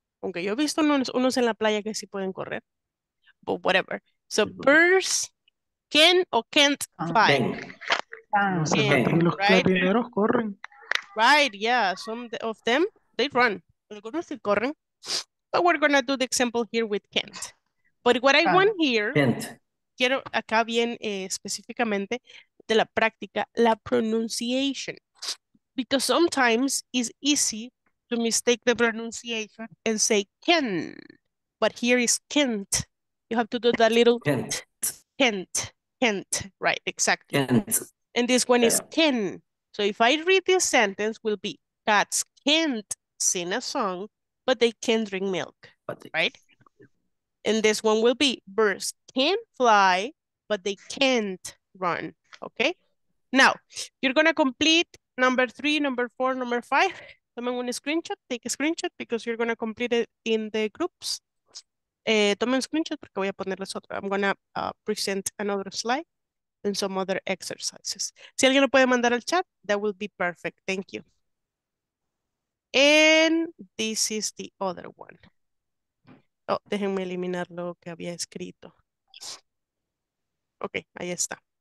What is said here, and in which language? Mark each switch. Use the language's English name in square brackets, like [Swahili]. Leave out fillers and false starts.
[Spanish] Aunque yo he visto unos en la playa que sí pueden correr, [English] but whatever. So birds can or can't fly. [Spanish] Corren. [English] Right, yeah, some of them, they run. [Spanish] Algunos se corren. [English] But we're going to do the example here with can't. But what I want here, can't. [Spanish] Quiero acá bien específicamente de la práctica, la pronunciation. [English] Because sometimes it's easy to mistake the pronunciation and say can. but here is can't. You have to do that little can't, right, exactly. Can't. And this one is can. So if I read this sentence, will be cats can't sing a song, but they can drink milk, right? And this one will be birds can fly, but they can't run, okay? Now, you're gonna complete number 3, number 4, number 5. [Spanish] Tomen un screenshot, [English] take a screenshot because you're gonna complete it in the groups. [Spanish] Tomen screenshot porque voy a poner las otras. [English] I'm gonna present another slide and some other exercises. [Spanish] Si alguien lo puede mandar al chat, [English] that will be perfect, thank you. And this is the other one. [Spanish] Oh, déjenme eliminar lo que había escrito. Okay, ahí está.